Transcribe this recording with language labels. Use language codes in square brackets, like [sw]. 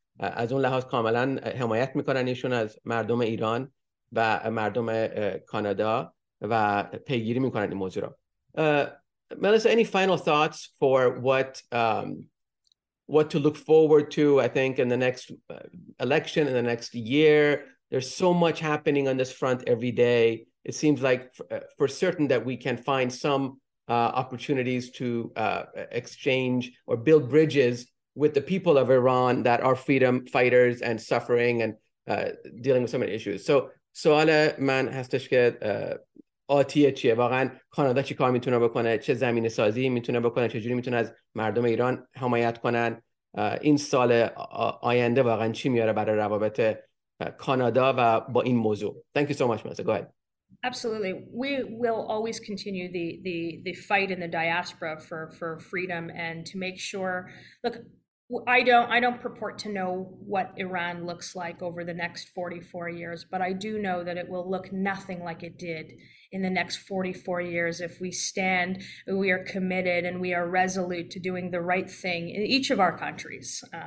[fa] از اون لحاظ کاملا حمایت میکنن ایشون از مردم ایران و مردم کانادا و پیگیری میکنن این موضوع رو. [en] Melissa, any final thoughts for what to look forward to, I think, in the next election, in the next year? There's so much happening on this front every day. It seems like for certain that we can find some opportunities to exchange or build bridges with the people of Iran that are freedom fighters and suffering and dealing with so many issues. So [fa] سوال من هستش که آتیه چیه؟ واقعا کانادا چی کار میتونه بکنه؟ چه زمین سازی میتونه بکنه؟ چه جوری میتونه از مردم ایران حمایت کنن؟ این سال آینده واقعا چی میاره برای روابط Canada va ba in mozo. [en] Thank you so much, Melissa. Go ahead. Absolutely. We will always continue the fight in the diaspora for freedom and to make sure, look, I don't purport to know what Iran looks like over the next 44 years, but I do know that it will look nothing like it did in the next 44 years if we stand, we are committed, and we are resolute to doing the right thing in each of our countries.